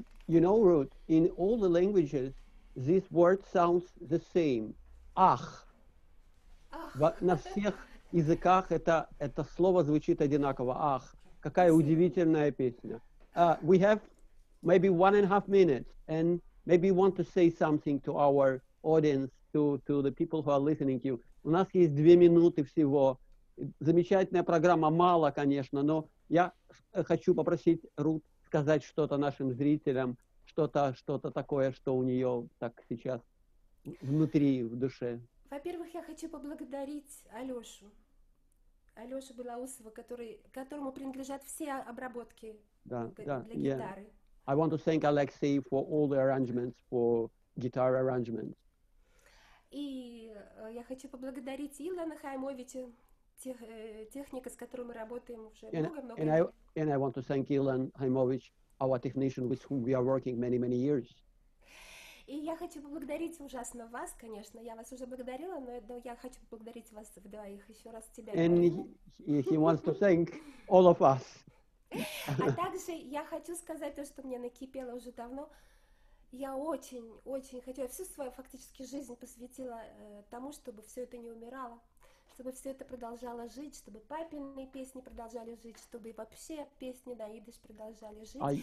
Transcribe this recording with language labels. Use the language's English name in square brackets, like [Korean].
[English] You know, Ruth, in all the languages, this word sounds the same. Ах. [Russian] На всех языках это слово звучит одинаково. Ах. Какая удивительная песня. [English] We have maybe 1.5 minutes, and maybe you want to say something to our audience, to the people who are listening to you. [Russian] У нас есть 2 минуты всего. Замечательная программа, мало, конечно, но я хочу попросить Рут сказать что-то нашим зрителям, что-то такое, что у нее так сейчас внутри, в душе. Во-первых, я хочу поблагодарить Алёшу. Алёшу Белоусова, которому принадлежат все обработки для гитары. [English] Yeah. I want to thank Alexei for all the arrangements, for guitar arrangements. [Russian] И я хочу поблагодарить Илона Хаймовича, техника, с которой мы работаем уже много-много лет. [English] And I want to thank Илон Хаймович, our technician, with whom we are working many years. [Russian] И я хочу поблагодарить ужасно вас, конечно, я вас уже благодарила, но я хочу поблагодарить вас вдвоих еще раз тебя. [English] And he wants to thank all of us. [Russian] А также я хочу сказать то, что мне накипело уже давно. Я очень хочу, я всю свою фактически жизнь посвятила тому, чтобы все это не умирало, чтобы все это продолжало жить, чтобы папины песни продолжали жить, чтобы вообще песни на идиш продолжали жить.